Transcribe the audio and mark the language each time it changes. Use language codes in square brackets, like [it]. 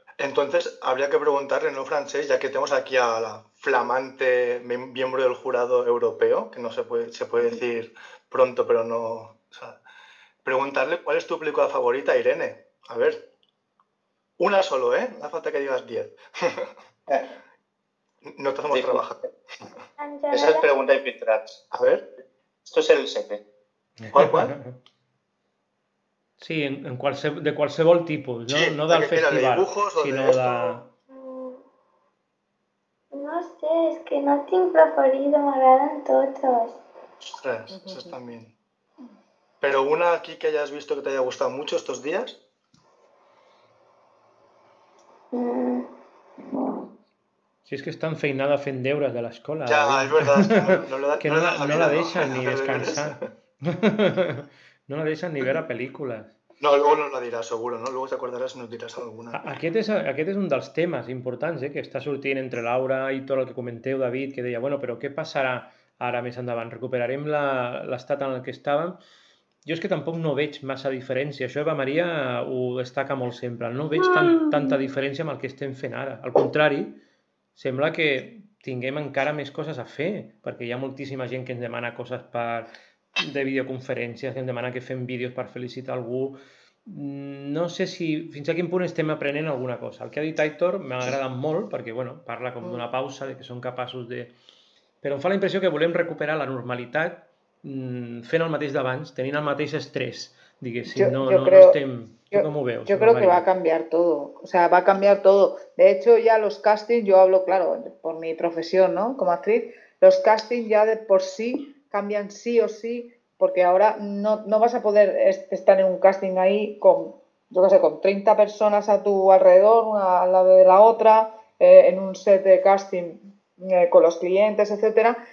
[es] Entonces, habría que preguntarle, ¿no, Francesc? Ya que tenemos aquí a la flamante miembro del jurado europeo, que no se puede, se puede decir pronto, pero no... O sea, preguntarle cuál es tu película favorita, Irene. A ver. Una solo, ¿eh? No hace falta que digas 10. No te hacemos trabajar. Esa es pregunta y pitrats. A ver. Esto es el 7. ¿Cuál, cuál? [ca] Sí, en cualse, de qualsevol tipus, no, sí, no del festival, [es] de dibujos, [ca] sinó de... No sé, és que no tinc preferit, m'agraden totes. Ostres, això està bé. Però una aquí [es] que hayas visto que te haya gustado mucho estos días? [ca] Si és que està enfeinada fent deures de l'escola. Ja, és veritat. Que no la deixen ni descansar. No la deixen ni veure pel·lícules. [es] No, luego nos la dirás, seguro, ¿no? Luego te acordarás y nos dirás alguna. [ca] Aquest és un dels temes importants, que està sortint entre Laura i tot el que comenteu, David, que deia, bueno, però què passarà ara més endavant? Recuperarem l'estat en el que estàvem? Jo és que tampoc no veig massa diferència. Això Eva Maria ho destaca molt sempre. No veig tanta diferència amb el que estem fent ara. Al contrari, sembla que tinguem encara més coses a fer, perquè hi ha moltíssima gent que ens demana coses per... de videoconferències, que ens demana que fem vídeos per felicitar algú. No sé si fins a quin punt estem aprenent alguna cosa. El que ha dit Aitor m'ha agradat molt, perquè bueno, parla com d'una pausa, de que són capaços de... Però em fa la impressió que volem recuperar la normalitat fent el mateix d'abans, tenint el mateix estrès, diguéssim. [es] Yo, ¿cómo veo? Yo creo que va a cambiar todo, o sea, va a cambiar todo. De hecho, ya los castings, yo hablo, claro, por mi profesión, ¿no?, como actriz, los castings ya de por sí cambian sí o sí, porque ahora no vas a poder estar en un casting ahí con, yo qué sé, con 30 personas a tu alrededor, una al lado de la otra, en un set de casting con los clientes, etcétera.